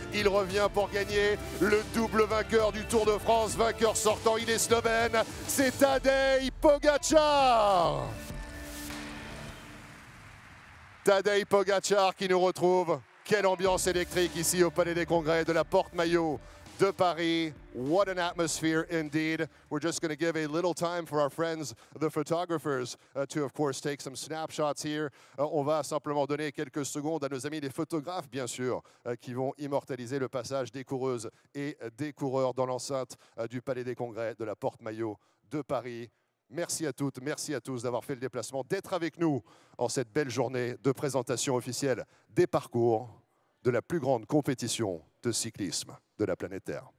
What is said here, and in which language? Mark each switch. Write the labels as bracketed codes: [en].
[fr] Il revient pour gagner le double vainqueur du Tour de France, vainqueur sortant, il est slovène, c'est Tadej Pogacar. Tadej Pogacar qui nous retrouve. Quelle ambiance électrique ici au Palais des Congrès de la Porte Maillot de Paris. [en] What an atmosphere indeed. We're just going to give a little time for our friends, the photographers, to of course take some snapshots here. [fr] On va simplement donner quelques secondes à nos amis les photographes, bien sûr, qui vont immortaliser le passage des coureuses et des coureurs dans l'enceinte du Palais des Congrès de la Porte Maillot de Paris. Merci à toutes, merci à tous d'avoir fait le déplacement, d'être avec nous en cette belle journée de présentation officielle des parcours de la plus grande compétition de cyclisme de la planète Terre.